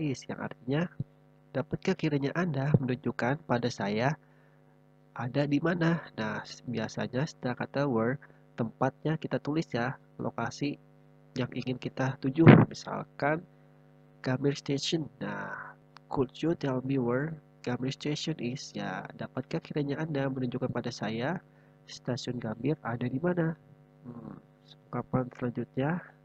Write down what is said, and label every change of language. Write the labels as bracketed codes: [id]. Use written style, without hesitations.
[id] Yang artinya, dapatkah kiranya Anda menunjukkan pada saya ada di mana? Nah, biasanya setelah kata where, tempatnya kita tulis ya, lokasi yang ingin kita tuju. Misalkan Gambir Station. [en] Nah, could you tell me where Gambir Station is? [id] Ya, dapatkah kiranya Anda menunjukkan pada saya stasiun Gambir ada di mana? Kapan selanjutnya?